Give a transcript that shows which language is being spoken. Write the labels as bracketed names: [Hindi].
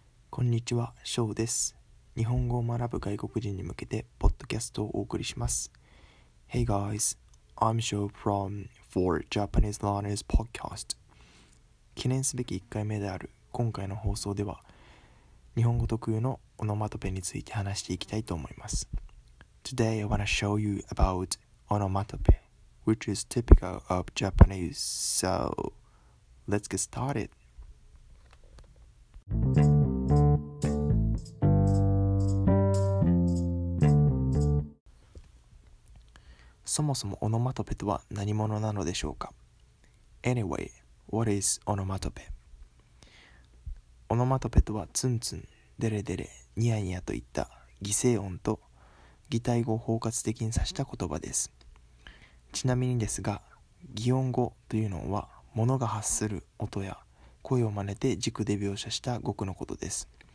[Japanese] こんにちは、ショウです。日本語を学ぶ外国人に向けてポッドキャストをお送りします。 [English] Hey guys, I'm Show from For Japanese Learners Podcast。 [Japanese] 記念すべき1回目である今回の放送では、日本語特有のオノマトペについて話していきたいと思います。 [English] Today I wanna show you about onomatope, which is typical of Japanese. So let's get started. [Japanese] そもそもオノマトペとは何者なのでしょうか。 [English] Anyway, what is オノマトペ。 [Japanese] オノマトペとはツンツン、デレデレ、ニヤニヤといった擬声音と擬態語を包括的に指した言葉です。ちなみにですが、擬音語というのは物が発する音や声を真似て軸で描写した語句のことです。